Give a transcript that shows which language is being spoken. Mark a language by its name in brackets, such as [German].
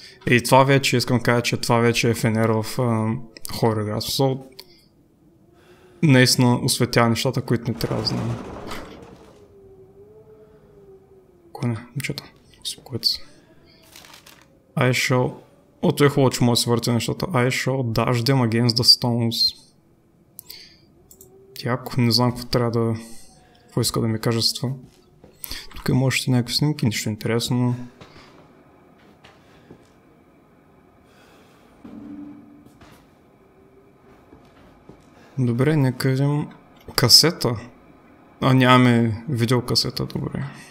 [Bulgarian] И това вече, искам да кажа, че това вече е фенер в хоррор игра. Наистина осветява нещата, които не трябва да знам. Коне, момчета, успокойте се. [English] I shall... [Bulgarian] О, той е хубаво, че може да свърти нещата. [English] I shall dash them against the stones. [Bulgarian] Яко, не знам какво трябва да... Какво иска да ми кажа с това. Тук има още някакви снимки, нищо интересно. Добре, нека видим... Касета? А, нямаме видеокасета, добре.